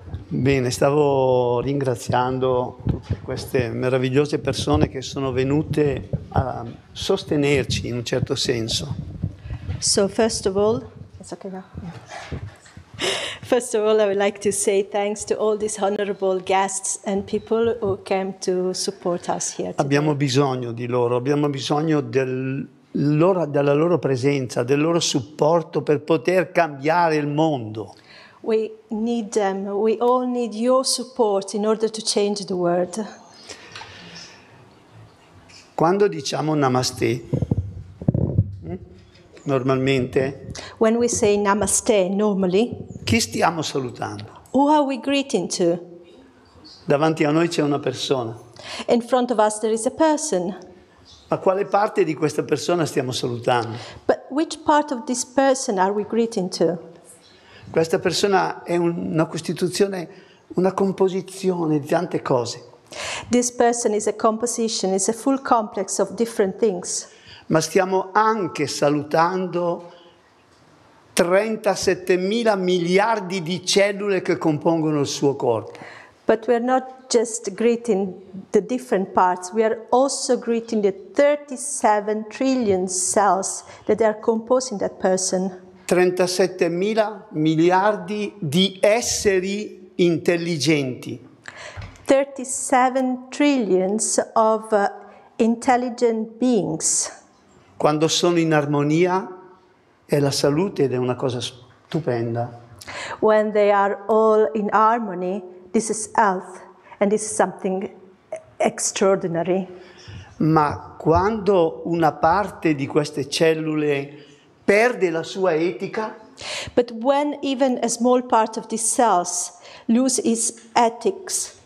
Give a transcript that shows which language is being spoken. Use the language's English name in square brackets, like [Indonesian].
[Italian] Bene, stavo ringraziando tutte queste meravigliose persone che sono venute a sostenerci in un certo senso. [English] So first of all, it's okay now. First of all, I would like to say thanks to all these honorable guests and people who came to support us here today. [Italian] Abbiamo bisogno di loro, abbiamo bisogno della loro presenza, del loro supporto per poter cambiare il mondo. [English] We need them. We all need your support in order to change the world. [Italian] Quando diciamo namaste, normalmente. [English] When we say namaste, normally. [Italian] Chi stiamo salutando? [English] Who are we greeting to? [Italian] Davanti a noi c'è una persona. [English] In front of us there is a person. [Italian] Ma quale parte di questa persona stiamo salutando? [English] But which part of this person are we greeting to? [Italian] Questa persona è una costituzione, una composizione di tante cose. [English] This person is a composition, is a full complex of different things. [Italian] Ma stiamo anche salutando 37.000 miliardi di cellule che compongono il suo corpo. [English] But we are not just greeting the different parts, we are also greeting the 37 trillion cells that are composing that person. [Italian] 37.000 miliardi di esseri intelligenti. [English] 37 trillions of intelligent beings. [Italian] Quando sono in armonia è la salute ed è una cosa stupenda. [English] When they are all in harmony, this is health and this is something extraordinary. [Italian] Ma quando una parte di queste cellule perde la sua etica? [English] But when even a small part of these cells lose its ethics?